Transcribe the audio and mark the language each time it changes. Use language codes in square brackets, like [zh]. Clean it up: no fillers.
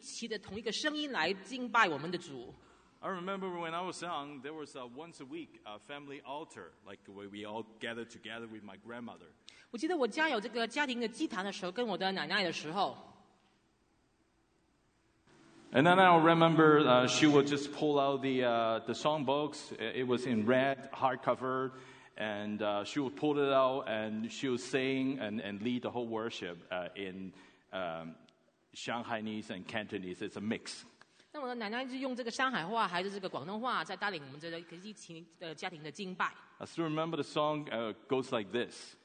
[zh] 我很高兴看见爸爸妈妈跟孩子可以一起的同一个声音来敬拜我们的主。 [en] I remember when I was young, there was a once a week a family altar, like the way we all gathered together with my grandmother. [zh] 我记得我家有这个家庭的祭坛的时候，跟我的奶奶的时候。 [en] And then I remember she would just pull out the songbooks. It was in red hardcover, and she would pull it out and she would sing and lead the whole worship in Shanghainese and Cantonese. It's a mix. [zh] 那我的奶奶就用这个上海话还是这个广东话，在带领我们这个一起的家庭的敬拜。 [en] I still remember the song goes like this.